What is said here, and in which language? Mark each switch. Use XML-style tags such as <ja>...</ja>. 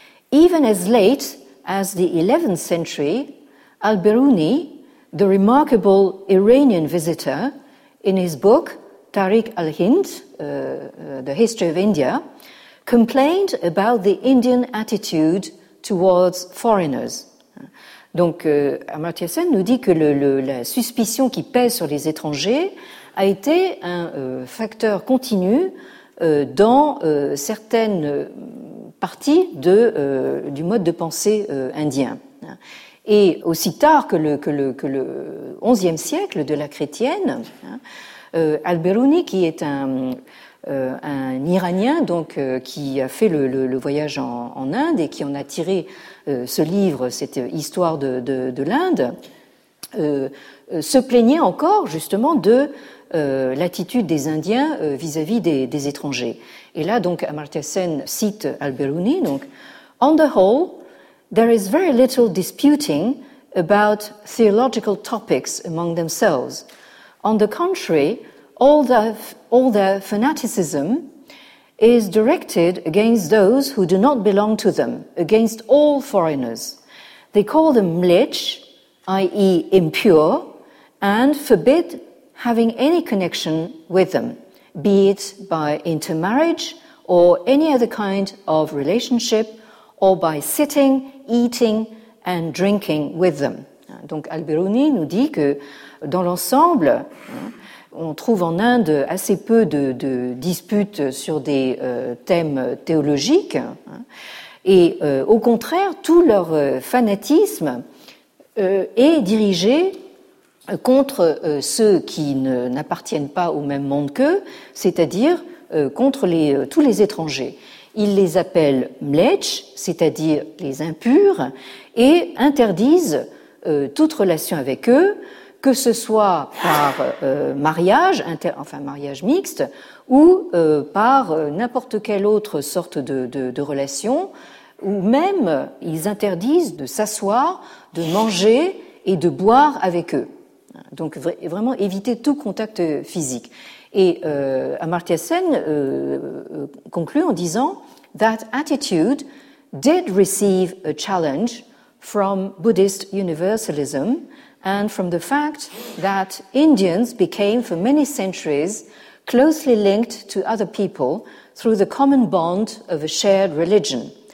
<en>Even as late as the 11th century, Al-Biruni, the remarkable Iranian visitor, in his book Tariq al-Hind, The History of India, complained about the Indian attitude towards foreigners.</en> <fr>Donc, Amartya Sen nous dit que la suspicion qui pèse sur les étrangers a été un facteur continu dans certaines parties du mode de pensée indien. Et aussi tard que le 11e siècle de la chrétienne, Al-Biruni, qui est un Iranien, donc qui a fait le voyage en Inde et qui en a tiré ce livre, cette histoire de l'Inde, se plaignait encore justement de l'attitude des Indiens vis-à-vis des étrangers. Et là, donc, Amartya Sen cite Al-Biruni.</fr> <en>Donc, on the whole, there is very little disputing about theological topics among themselves. On the contrary, all their fanaticism is directed against those who do not belong to them, against all foreigners. They call them mlech, i.e. impure, and forbid having any connection with them, be it by intermarriage or any other kind of relationship, or by sitting, eating and drinking with them.</en> <fr>Donc Al-Biruni nous dit que dans l'ensemble, on trouve en Inde assez peu de disputes sur des thèmes théologiques, et au contraire, tout leur fanatisme est dirigé contre ceux qui n'appartiennent pas au même monde qu'eux, c'est-à-dire contre tous les étrangers. Ils les appellent mlech, c'est-à-dire les impurs, et interdisent toute relation avec eux, que ce soit par mariage, mariage mixte, ou par n'importe quelle autre sorte de relation, ou même ils interdisent de s'asseoir, de manger et de boire avec eux. Donc vraiment éviter tout contact physique. Et Amartya Sen conclut en disant</fr> <en>« That attitude did receive a challenge from Buddhist universalism and from the fact that Indians became for many centuries closely linked to other people through the common bond of a shared religion.</en>